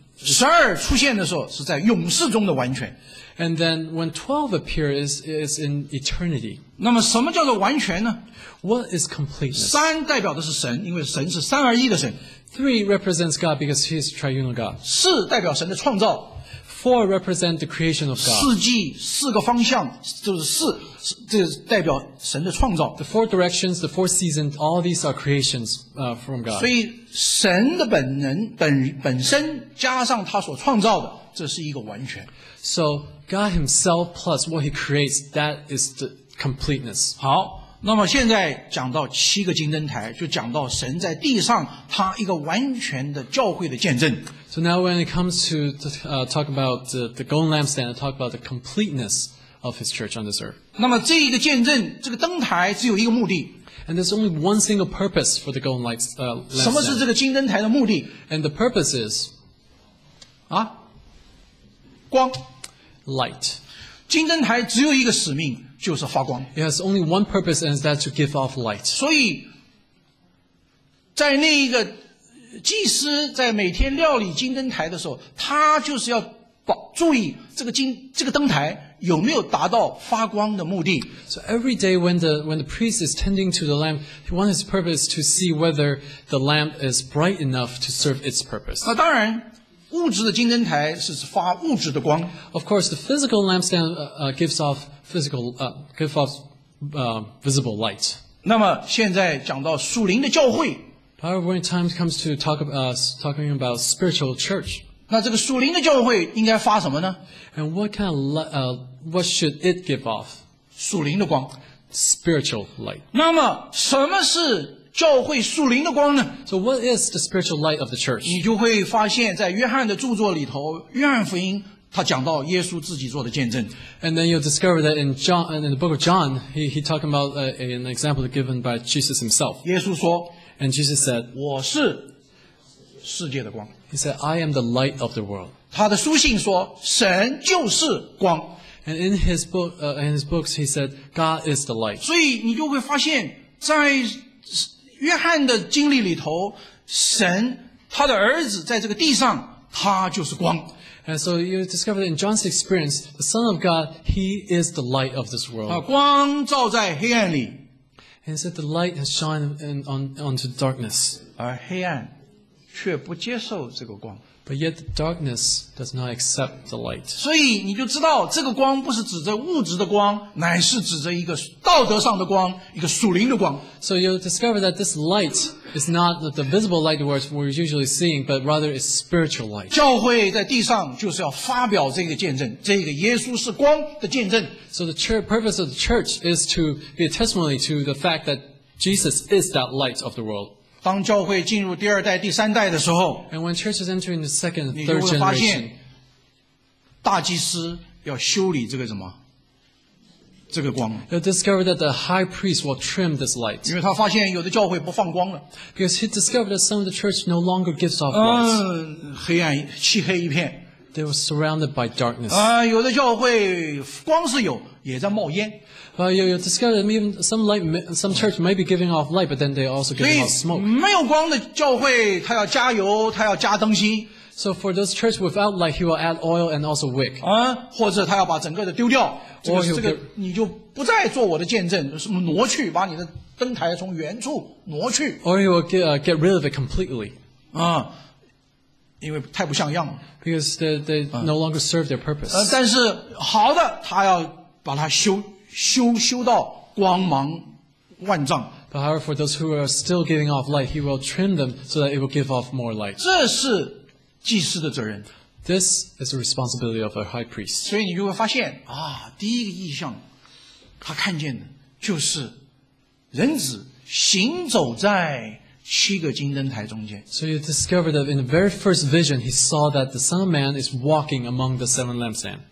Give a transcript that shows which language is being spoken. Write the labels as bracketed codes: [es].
[zh] 十二出现的时候是在永世中的完全。 [en] And then when 12 appears, is in eternity. [zh] 那么什么叫做完全呢？ [en] What is completeness? [zh] 三代表的是神，因为神是三而一的神。 [en] Three represents God because He is triunal God. [zh] 四代表神的创造。 [en] Four represent the creation of God. [zh] 四季四个方向就是四。这代表神的创造。 [en] The four directions, the four seasons, all these are creations from God. [zh] 所以神的本能 本身加上他所创造的，这是一个完全。 [en] So God Himself plus what He creates, that is the completeness. [zh] 好，那么现在讲到七个金灯台，就讲到神在地上他一个完全的教会的见证。 [en] So now when it comes to talk about the golden lampstand, talk about the completeness. Of His church on this earth. [zh] 那么这一个见证，这个灯台只有一个目的。 [en] And there's only one single purpose for the golden lights. [zh] 什么是这个金灯台的目的 [en] ？And the purpose is, [zh] 啊，光 [en] ，light. [zh] 金灯台只有一个使命，就是发光。 [en] It has only one purpose, and that's to give off light. [zh] 所以，在那一个祭司在每天料理金灯台的时候，他就是要注意这个灯台。有没有达到发光的目的 [en] ？So every day when the priest is tending to the lamp, he wants his purpose to see whether the lamp is bright enough to serve its purpose. [zh] 那当然，物质的金灯台是发物质的光。 [en] Of course, the physical lampstand gives off visible light. [zh] 那么现在讲到属灵的教会。 [en] However, when time comes to talking about spiritual church. [zh] 那这个属灵的教会应该发什么呢 [en] ？And what kind of what should it give off? [zh] 属灵的光 [en] ，spiritual light. [zh] 那么什么是教会属灵的光呢 [en] ？So what is the spiritual light of the church? [zh] 你就会发现，在约翰的著作里头，约翰福音他讲到耶稣自己做的见证。 [en] And then you'll discover that in John, in the book of John, he talking about an example given by Jesus himself. [zh] 耶稣说 [en] ，And Jesus said, [zh] 我是世界的光。 [en] He said, "I am the light of the world." [zh] 他的书信说，神就是光。 [en] And in his book, in his books, he said, "God is the light." [zh] 所以你就会发现，在约翰的经历里头，神他的儿子在这个地上，他就是光。 [en] And so you discover that in John's experience, the Son of God, He is the light of this world. [zh] 光照在黑暗里。 [en] And he said, "The light has shined onto darkness." [zh] 而黑暗却不接受这个光。 [en] But yet the darkness does not accept the light. [zh] 所以你就知道这个光不是指着物质的光，乃是指着一个道德上的光，一个属灵的光。 [en] So you discover that this light is not the visible light we're usually seeing, but rather it's spiritual light. [zh] 教会在地上就是要发表这个见证，这个耶稣是光的见证。 [en] So the purpose of the church is to be a testimony to the fact that Jesus is that light of the world. [zh] 当教会进入第二代第三代的时候 [en] and when church is entering the second, [zh] 你就会发现大祭司要修理这个什么这个光 [en] They'll discover that the high priest will trim this light. [zh] 因为他发现有的教会不放光了 [en] Because he discovered that some of the church no longer gives off [zh] light. 黑暗漆黑一片 [en] They were surrounded by darkness. [zh] 有的教会光是有也在冒烟 [en] But you discover that even some church may be giving off light, but then they also giving off smoke. [zh] 没有光的教会，他要加油，他要加灯芯。 [en] So for those church without light, he will add oil and also wick. [zh] 或者他要把整个的丢掉，这个你就不再做我的见证，什么挪去，把你的灯台从原处挪去。 [en] Or he will get rid of it completely. [zh] 因为太不像样了。 [en] Because they no longer serve their purpose. [zh] 但是好的，他要把它修到光芒万丈。 [en] But however, for those who are still giving off light, he will trim them so that it will give off more light. [zh] 这是祭司的责任。 [en] This is the responsibility of a high priest. [zh] 所以你就会发现啊，第一个异象，他看见的就是人子行走在七个金灯台中间。 [en] So you discover that in the very first vision, he saw that the Son of Man is walking among the seven lampstands.